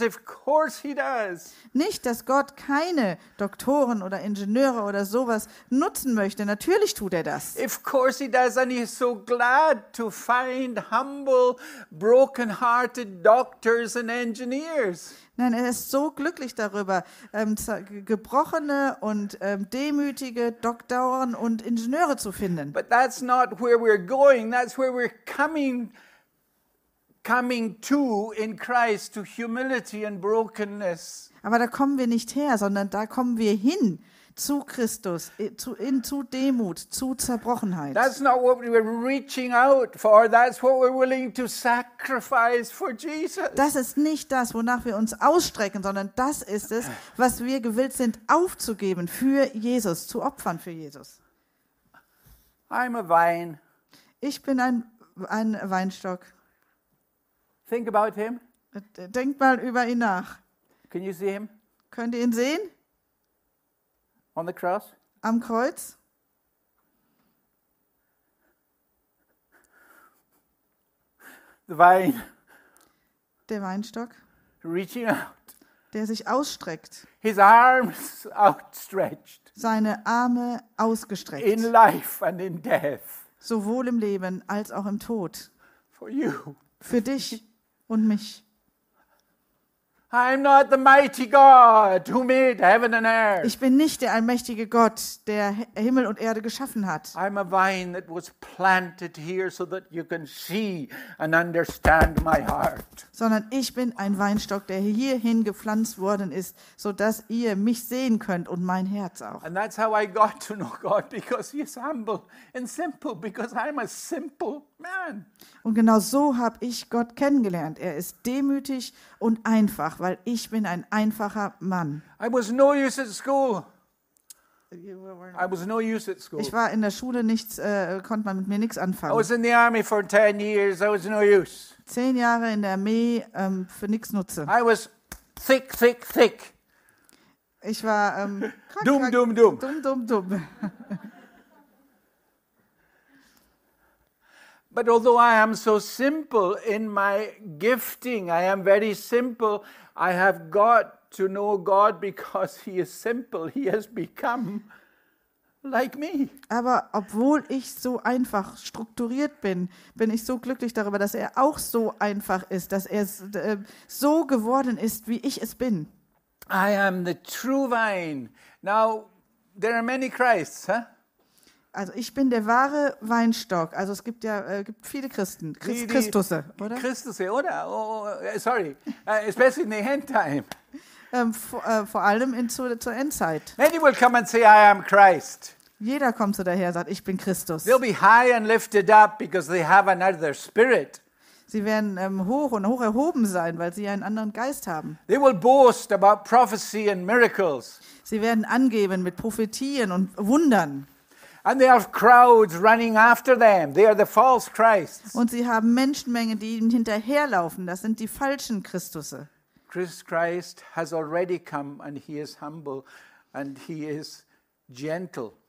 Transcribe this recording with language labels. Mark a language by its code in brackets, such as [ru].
[en] Of course he does. [de] Nicht, dass Gott keine Doktoren oder Ingenieure oder sowas nutzen möchte. Natürlich tut er das. [en] Of course he does, and he's so glad to find humble, broken-hearted doctors and engineers. [de] Nein, er ist so glücklich darüber, gebrochene und demütige Doktoren und Ingenieure zu finden. [en] But that's not where we're going, that's where we're coming to in Christ, to humility and brokenness. [de] Aber da kommen wir nicht her, sondern da kommen wir hin zu Christus, zu Demut, zu Zerbrochenheit. [en] That's not what we're reaching out for. That's what we're willing to sacrifice for Jesus. [de] Das ist nicht das, wonach wir uns ausstrecken, sondern das ist es, was wir gewillt sind aufzugeben für Jesus, zu opfern für Jesus. [en] I'm a vine. [de] Ich bin ein Weinstock. [en] Think about him. [de] Denkt mal über ihn nach. [en] Can you see him? [de] Könnt ihr ihn sehen? [en] On the cross. [de] Am Kreuz. [en] The vine. [de] Der Weinstock. [en] Reaching out. [de] Der sich ausstreckt. [en] His arms outstretched. [de] Seine Arme ausgestreckt. [en] In life and in death. [de] Sowohl im Leben als auch im Tod. [en] For you. [de] Für dich und mich. [en] I'm not the mighty God who made heaven and earth. [de] Ich bin nicht der allmächtige Gott, der Himmel und Erde geschaffen hat. [en] I'm a vine that was planted here so that you can see and understand my heart. [de] Sondern ich bin ein Weinstock, der hierhin gepflanzt worden ist, so dass ihr mich sehen könnt und mein Herz auch. [en] And that's how I got to know God, because he is humble and simple, because I'm a simple man. [de] Und genau so habe ich Gott kennengelernt. Er ist demütig und einfach, weil ich bin ein einfacher Mann. [en] I was no use at school. I was no use at school. [de] Ich war in der Schule nichts, konnte man mit mir nichts anfangen. [en] I was in the army for 10 years. I was no use. [de] 10 Jahre in der Armee für nichts nutze. [en] I was thick, thick, thick. [de] Ich war dumm, dumm, dumm. Dumm, dumm, dumm. [en] But although I am so simple in my gifting, I am very simple, I have got to know God because he is simple. He has become like me. [de] Aber obwohl ich so einfach strukturiert bin, bin ich so glücklich darüber, dass er auch so einfach ist, dass er so geworden ist, wie ich es bin. [en] I am the true vine. Now, there are many Christs, huh? [de] Also ich bin der wahre Weinstock. Also es gibt ja gibt viele Christen, Christusse, oder? Christusse, oder? [en] Oh, sorry, especially in the end time. [de] Vor allem zur Endzeit. [en] Many will come and say, I am Christ. [de] Jeder kommt so daher, sagt, ich bin Christus. [en] They'll be high and lifted up because they have another spirit. [de] Sie werden hoch und hoch erhoben sein, weil sie einen anderen Geist haben. [en] They will boast about prophecy and miracles. [de] Sie werden angeben mit Prophetien und Wundern. [en] And they have crowds running after them. They are the false Christs. [de] Und sie haben Menschenmengen, die ihnen hinterherlaufen. Das sind die falschen Christusse. [en] Christ has already come, and he is humble, and he is gentle.